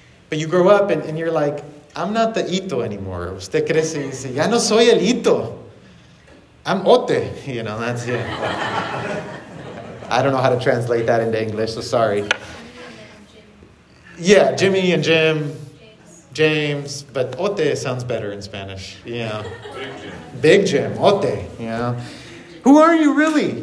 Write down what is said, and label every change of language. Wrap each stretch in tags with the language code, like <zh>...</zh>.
<en>But you grow up and you're like, I'm not the Ito anymore.</en> <es>Usted crece y dice, ya no soy el Ito.</es> <en>I'm Ote. You know, that's it. Yeah. I don't know how to translate that into English, so sorry. Yeah, Jimmy and Jim, James, but Ote sounds better in Spanish, yeah. Big Jim, Ote, yeah. Who are you really?</en>